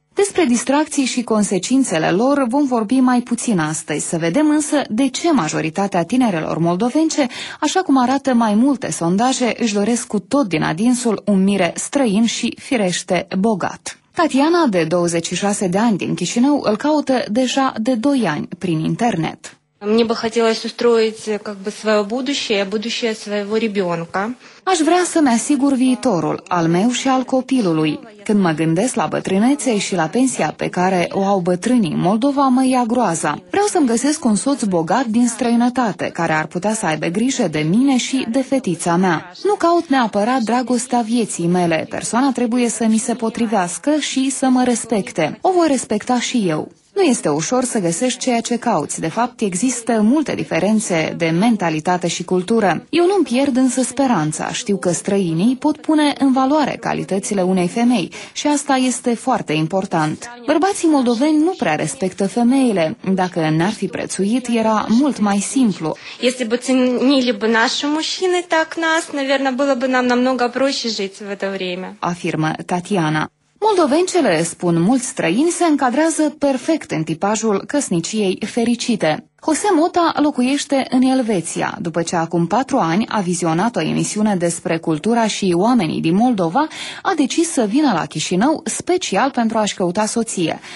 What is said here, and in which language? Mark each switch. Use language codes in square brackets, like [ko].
[ro] Despre distracții și consecințele lor vom vorbi mai puțin astăzi, să vedem însă de ce majoritatea tinerelor moldovence, așa cum arată mai multe sondaje, își doresc cu tot din adinsul un mire străin și firește bogat. Tatiana, de 26 de ani din Chișinău, îl caută deja de 2 ani prin internet. [ru] Мне бы хотелось устроить как бы своё будущее, будущее своего ребёнка. [ro] Aș vrea să-mi asigur viitorul, al meu și al copilului. Când mă gândesc la bătrânețe și la pensia pe care o au bătrânii în Moldova, mă ia groaza. Vreau să-mi găsesc un soț bogat din străinătate, care ar putea să aibă grijă de mine și de fetița mea. Nu caut neapărat dragostea vieții mele. Persoana trebuie să mi se potrivească și să mă respecte. O voi respecta și eu. Nu este ușor să găsești ceea ce cauți. De fapt, există multe diferențe de mentalitate și cultură. Eu nu-mi pierd însă speranța. Știu că străinii pot pune în valoare calitățile unei femei și asta este foarte important. Bărbații moldoveni nu prea respectă femeile. Dacă n-ar fi prețuit, era mult mai simplu. [ru] Если бы ценили бы наши мужчины так нас, наверное, было бы нам намного проще жить в это время. [ro] Afirmă Tatiana. Moldovencele, spun mulți străini, se încadrează perfect în tipajul căsniciei fericite. Jose Mota locuiește în Elveția. După ce acum 4 ani a vizionat o emisiune despre cultura și oamenii din Moldova, a decis să vină la Chișinău special pentru a-și căuta soție.